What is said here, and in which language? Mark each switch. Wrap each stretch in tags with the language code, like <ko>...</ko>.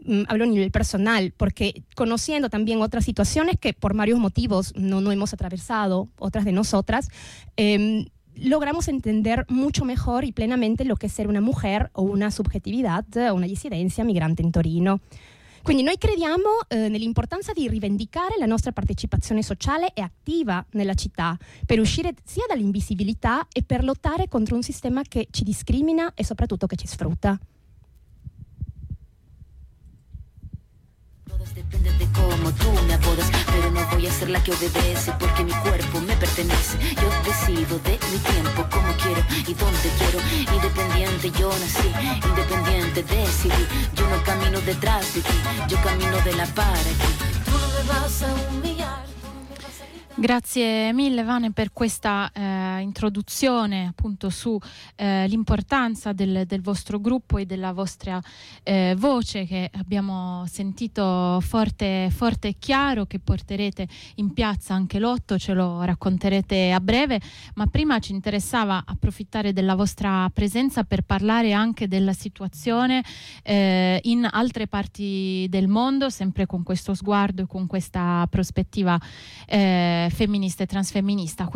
<es>Hablo a nivel personal, porque conociendo también otras situaciones que por varios motivos no hemos atravesado, otras de nosotras, logramos entender mucho mejor y plenamente lo que es ser una mujer o una subjetividad o una disidencia migrante en Torino.</es> <it>Quindi noi crediamo nell'importanza di rivendicare la nostra partecipazione sociale e attiva nella città per uscire sia dall'invisibilità e per lottare contro un sistema che ci discrimina e soprattutto che ci sfrutta.</it> <es>Depende de cómo tú me apodas, pero no voy a ser la que obedece, porque mi cuerpo me pertenece. Yo decido de mi tiempo, cómo quiero y dónde quiero. Independiente yo nací, independiente decidí. Yo no camino detrás de ti, yo camino de la par aquí. Tú no me vas a humillar.</es> <it>Grazie mille Vane per questa introduzione appunto su l'importanza del vostro gruppo e della vostra voce, che abbiamo sentito forte, forte e chiaro, che porterete in piazza anche l'8, ce lo racconterete a breve, ma prima ci interessava approfittare della vostra presenza per parlare anche della situazione in altre parti del mondo, sempre con questo sguardo e con questa prospettiva femminista e transfemminista.</it>